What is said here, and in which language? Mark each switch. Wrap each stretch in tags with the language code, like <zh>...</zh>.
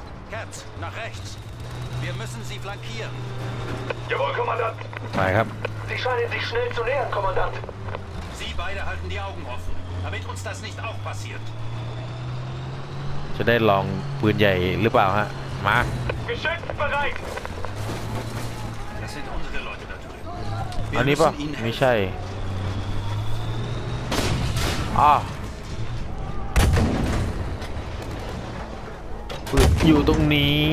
<de>Cat, nach rechts. Wir müssen sie flankieren. Jawohl, Kommandant. Nein, hab. Sie scheinen sich schnell zu nähern, Kommandant. Sie beide halten die Augen offen, damit uns das nicht auch passiert.</de> <th>จะได้ลองปืนใหญ่หรือเปล่าฮะมา</th> <de>Geschütz bereit. Das sind unsere Leute da drüben. Wir müssen ihnen helfen. Nicht</de> <th>ใช่ปืนอยู่ตรงนี</th>